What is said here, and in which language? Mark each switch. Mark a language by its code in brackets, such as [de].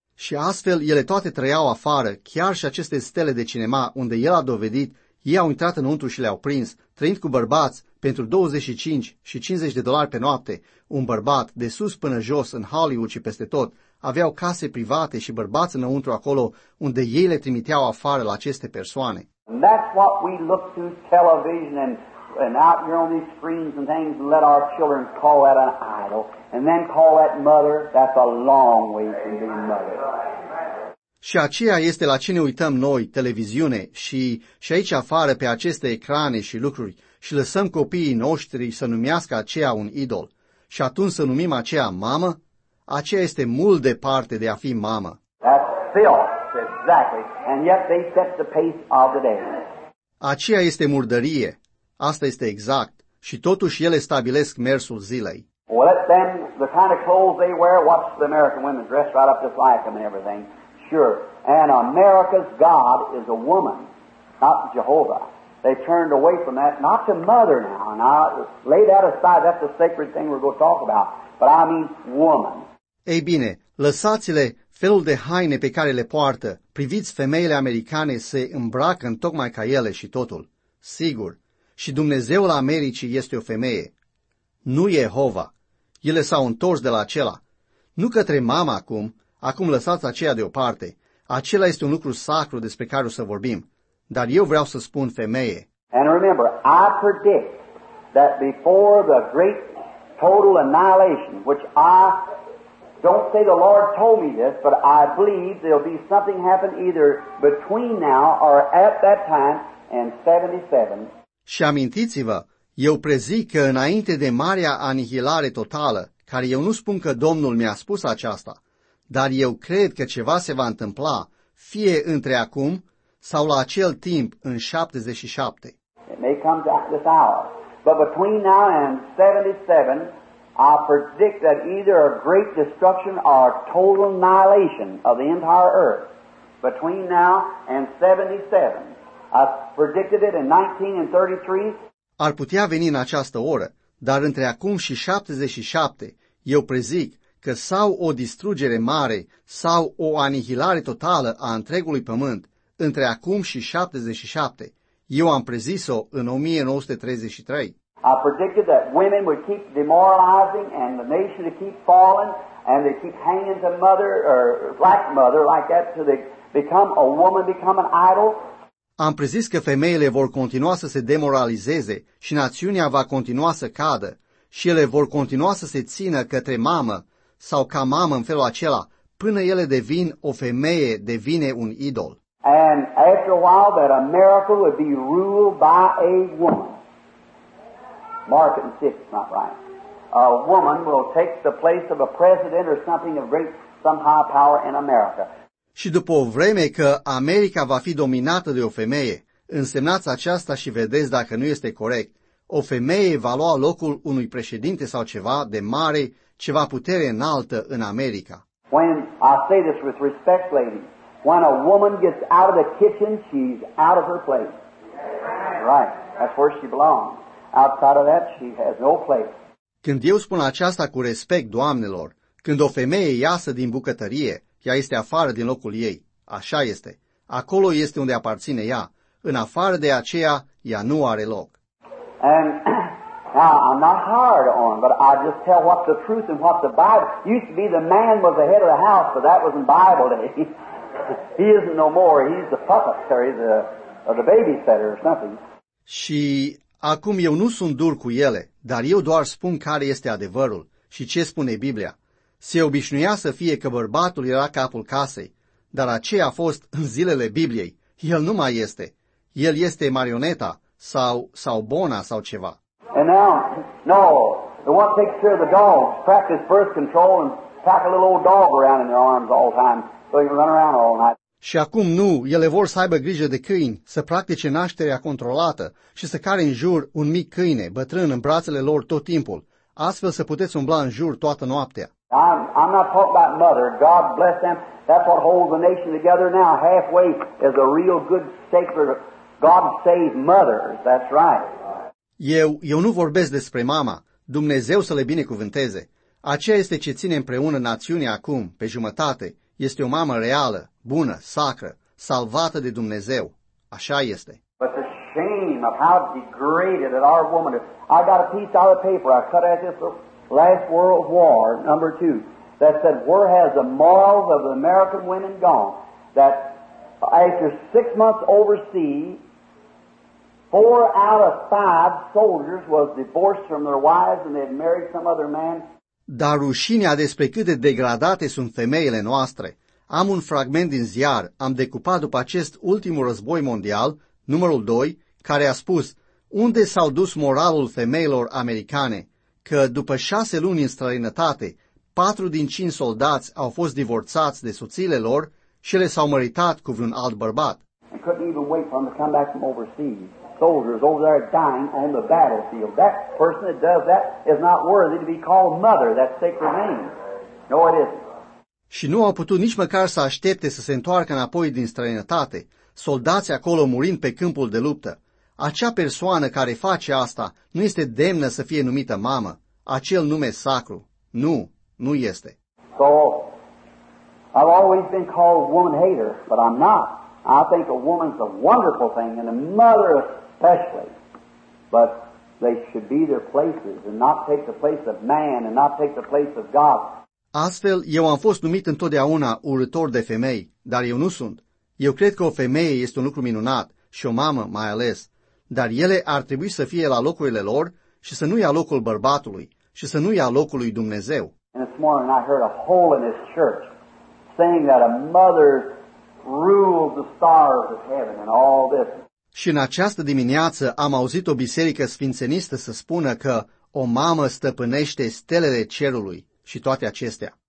[ro] Și astfel ele toate trăiau afară, chiar și aceste stele de cinema unde el a dovedit, ei au intrat înăuntru și le-au prins, trăind cu bărbați pentru $25 și $50 pe noapte. Un bărbat de sus până jos în Hollywood și peste tot aveau case private și bărbați înăuntru acolo unde ei le trimiteau afară la aceste persoane. [en] And that's what we look to television and out here on these screens and things and let our children call that an idol and then call that mother, that's a long way from being mother. [ro] Și aceea este la ce ne uităm noi, televiziune, și aici afară pe aceste ecrane și lucruri și lăsăm copiii noștri să numească aceea un idol și atunci să numim aceea mamă, aceea este mult departe de a fi mamă. [en] That's filth, exactly, and yet they set the pace of the day. [ro] Aceea este murdărie. Asta este exact. Și totuși ele stabilesc mersul zilei. [en] Well, then, the kind of clothes they wear, watch the American women dress right up just like them and everything. Sure. And America's God is a woman, not Jehovah. They turned away from that, not to mother now. Now, lay that aside, that's a sacred thing we're going to talk about. But I mean woman. [ro] Ei bine, lăsați-le felul de haine pe care le poartă. Priviți femeile americane se îmbracă în tocmai ca ele și totul. Sigur. Și Dumnezeul Americii este o femeie, nu Jehova. Ele s-au întors de la acela. Nu către mama acum lăsați aceea deoparte. Acela este un lucru sacru despre care o să vorbim. Dar eu vreau să spun femeie. [en] And remember, I predict that before the great total annihilation, which I don't say the Lord told me this, but I believe there'll be something happen either between now or at that time in 77. [ro] Și amintiți-vă, eu prezic că înainte de marea anihilare totală, care eu nu spun că Domnul mi-a spus aceasta, dar eu cred că ceva se va întâmpla, fie între acum sau la acel timp în 77. [en] It may come to this hour, but between now and 77, I predict that either a great destruction or total annihilation of the entire earth, between now and 77. I predicted it in 1933. [ro] Ar putea veni în această oră, dar între acum și 77, eu prezic că sau o distrugere mare, sau o anihilare totală a întregului pământ, între acum și 77, eu am prezis-o în 1933. [en] I predicted that women would keep demoralizing and the nation would keep falling and they keep hanging to mother or black mother like that till they become a woman, become an idol. [ro] Am prezis că femeile vor continua să se demoralizeze și națiunea va continua să cadă și ele vor continua să se țină către mamă sau ca mamă în felul acela până ele devin o femeie, devine un idol. [en] And after a while that America would be ruled by a woman. Mark it and see if it's not right. A woman will take the place of a president or something of great, some high power in America. [ro] Și după o vreme că America va fi dominată de o femeie, însemnați aceasta și vedeți dacă nu este corect, o femeie va lua locul unui președinte sau ceva de mare, ceva putere înaltă în America. [en] When I say this with respect, ladies, when a woman gets out of the kitchen, she's out of her place. Right, that's where she belongs. Outside of that, she has no place. [ro] Când eu spun aceasta cu respect, doamnelor, când o femeie iasă din bucătărie, ea este afară din locul ei. Așa este. Acolo este unde aparține ea. În afară de aceea, ea nu are loc. [en] And Now, I'm not hard on, but I just tell what the truth and what the Bible. Used to be the man was the head of the house, but that was in Bible days. He isn't no more. He's the puppet, sorry, the babysitter or something. [ro] Și acum eu nu sunt dur cu ele, dar eu doar spun care este adevărul și ce spune Biblia. Se obișnuia să fie că bărbatul era capul casei, dar aceea a fost în zilele Bibliei. El nu mai este. El este marioneta sau bona sau ceva. [en] And now, no, the one takes care of the dogs, practice birth control and pack a little old dog around in their arms all the time so he can run around all night. [ro] Și acum nu, ele vor să aibă grijă de câini, să practice nașterea controlată și să care în jur un mic câine bătrân în brațele lor tot timpul, astfel să puteți umbla în jur toată noaptea. [en] I'm not talking about mother. God bless them. That's what holds the nation together now. Halfway is a real good sacred God-saved mother. That's right. [ro] Eu nu vorbesc despre mama. Dumnezeu să le binecuvânteze. Aceea este ce ține împreună națiunea acum, pe jumătate. Este o mamă reală, bună, sacră, salvată de Dumnezeu. Așa este. [en] But the shame of how degraded that our woman is. I got a piece out of paper. I cut out this last World War, number two, that said, where has the morals of the American women gone? That after 6 months overseas, 4 out of 5 soldiers was divorced from their wives and they had married some other man. [ro] Dar rușinea despre cât de degradate sunt femeile noastre. Am un fragment din ziar, am decupat după acest ultimul război mondial, numărul 2, care a spus, unde s-au dus moralul femeilor americane? Că după 6 luni în străinătate, 4 din 5 soldați au fost divorțați de soțiile lor și le s-au măritat cu vreun alt bărbat. [en] And couldn't even wait for them to come back from overseas. Soldiers over there dying on the battlefield. That person that does that is not worthy to be called mother, that sacred name. No, it isn't. [ro] Și nu au putut nici măcar să aștepte să se întoarcă înapoi din străinătate, soldați acolo murind pe câmpul de luptă. Acea persoană care face asta nu este demnă să fie numită mamă, acel nume sacru. Nu, nu este. [en] So, I've always been called woman hater, but I'm not. I think a woman's a wonderful thing, and a mother especially, but they should be their places and not take the place of man and not take the place of God. [ro] Astfel, eu am fost numit întotdeauna urător de femei, dar eu nu sunt. Eu cred că o femeie este un lucru minunat și o mamă mai ales. Dar ele ar trebui să fie la locurile lor și să nu ia locul bărbatului și să nu ia locul lui Dumnezeu. [en] And this morning I heard a holiness church saying that a mother rules the stars of heaven and all this. [ro] Și în această dimineață am auzit o biserică sfințenistă să spună că o mamă stăpânește stelele cerului și toate acestea.